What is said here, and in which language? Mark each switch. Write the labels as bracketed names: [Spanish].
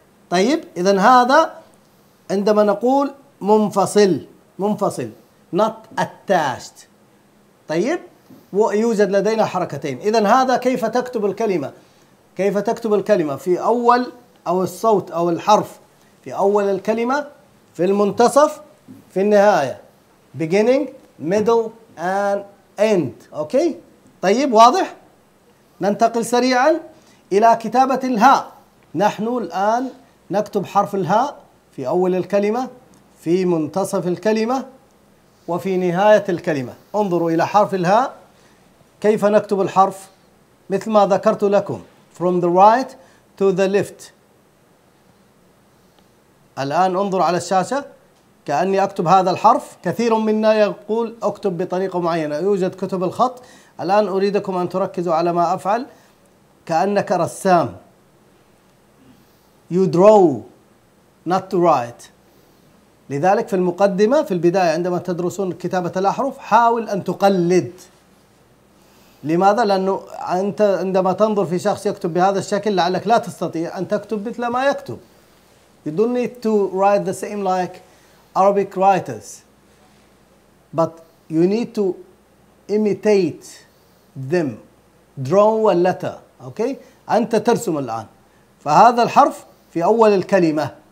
[Arabic] طيب إذن هذا عندما نقول منفصل, منفصل [English] not attached. [Arabic] طيب ويوجد لدينا حركتين. إذن هذا كيف تكتب الكلمة, كيف تكتب الكلمة في أول أو الصوت أو الحرف. في أول الكلمة, في المنتصف, في النهاية. [English] Beginning, middle and end. Okay. [Arabic] طيب واضح. ننتقل سريعا إلى كتابة الهاء. نحن الآن نكتب حرف الهاء في أول الكلمة, في منتصف الكلمة, وفي نهاية الكلمة. انظروا إلى حرف الهاء كيف نكتب الحرف. مثل ما ذكرت لكم, [English] from the right to the left. [Arabic] الآن انظر على الشاشة كأني أكتب هذا الحرف. كثير منا يقول أكتب بطريقة معينة. يوجد كتب الخط. الآن أريدكم أن تركزوا على ما أفعل كأنك رسام. [English] You draw not to write. [Arabic] لذلك في المقدمة في البداية عندما تدرسون كتابة الأحرف حاول أن تقلد. لماذا؟ لأنه أنت عندما تنظر في شخص يكتب بهذا الشكل لعلك لا تستطيع أن تكتب مثل ما يكتب. [English] You don't need to write the same like Arabic writers, but you need to imitate them. Draw a letter. Okay? [Arabic] أنت ترسم الآن. فهذا الحرف في أول الكلمة.